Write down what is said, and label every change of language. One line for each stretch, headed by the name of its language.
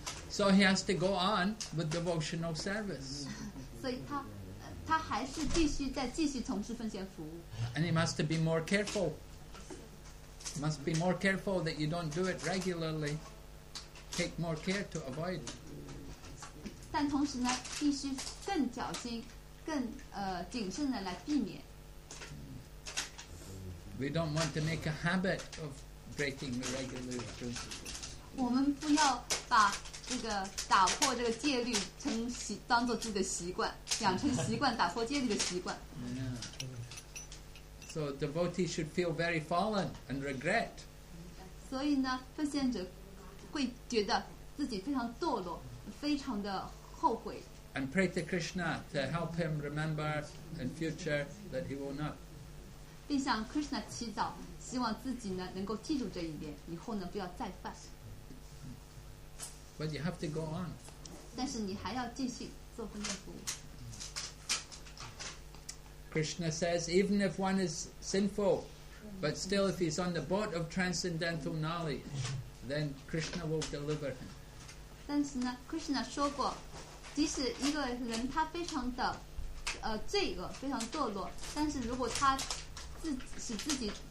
English: So he has to go on with devotional service.
Chinese: 所以他还是必须再继续从事奉献服务。
English: And he must be more careful. Must be more careful that you don't do it regularly. Take more care to avoid.
Chinese: 但同时呢，必须更小心、更谨慎的来避免。
English: We don't want to make a habit of breaking the regular principles.
Chinese: 我们不要把个打破这个戒律成习当做自己的习惯，养成习惯打破戒律的习惯。
English: So devotee should feel very fallen and regret.
Chinese: 所以呢，奉献者会觉得自己非常堕落，非常的后悔。
English: And pray to Krishna to help him remember in future that he will not.
Chinese: 并向 Krishna 祈祷，希望自己呢能够记住这一点，以后呢不要再犯。
English: But you have to go on.
Chinese: 但是你还要继续做奉献服务。
English: Krishna says, even if one is sinful, but still if he's on the boat of transcendental knowledge, then Krishna will deliver him.
Chinese: 但是呢 ，Krishna 说过，即使一个人他非常的罪恶，非常堕落，但是如果他使自己。